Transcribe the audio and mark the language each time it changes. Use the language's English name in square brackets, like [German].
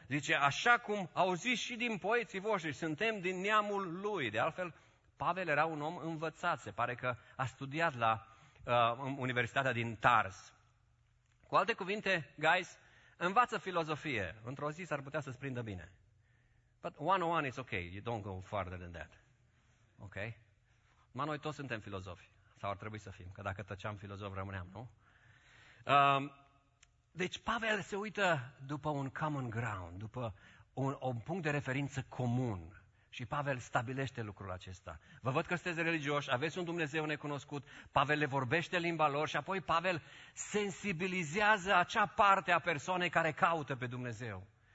[Romanian] Zice, așa cum au zis și din poeții voștri, suntem din neamul lui. De altfel, Pavel era un om învățat, se pare că a studiat la Universitatea din Tars. Cu alte cuvinte, guys, învață filozofie. Într-o zi s-ar putea să-ți prindă bine. [English] But 101 is okay, you don't go farther than that. Ok? [Romanian] Ma noi toți suntem filozofi, sau ar trebui să fim, că dacă tăceam filozof rămâneam, nu? Deci Pavel se uită după un [English] common ground, [Romanian] după un punct de referință comun. Și Pavel stabilește lucrul acesta. Vă văd că sunteți religioși, aveți un Dumnezeu necunoscut, Pavel le vorbește limba lor și apoi Pavel sensibilizează acea parte a persoanei care caută pe Dumnezeu.